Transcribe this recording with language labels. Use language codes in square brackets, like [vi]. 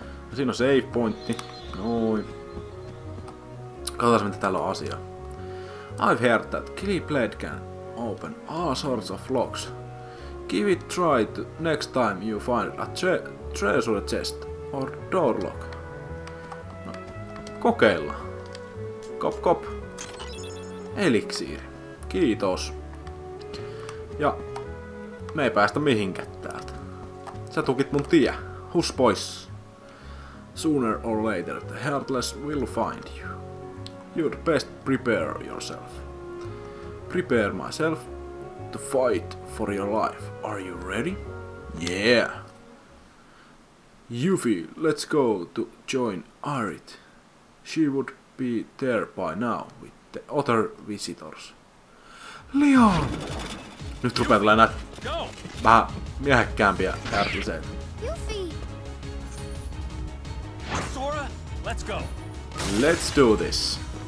[fi] No siinä on save pointti. Noin. Katsotaas mitä täällä on asiaa. [en] I've heard that Keyblade can open all sorts of locks. Give it try to next time you find a treasure chest or door lock. [fi] No, kokeilla. Kop kop. Eliksiiri. Kiitos. Ja me ei päästä mihinkään täältä. Sä tukit mun tie. Hus pois. [en] Sooner or later, the Heartless will find you. You'd best prepare yourself. Prepare myself to fight for your life. Are you ready? Yeah. Yuffie, let's go to join Arit. She would be there by now with the other visitors. Leon! [fi] Nyt rupeaa tulee näitä vähän miehekkäämpiä härtiseitä. Yuffie! [en] Sora, let's go! Let's do this!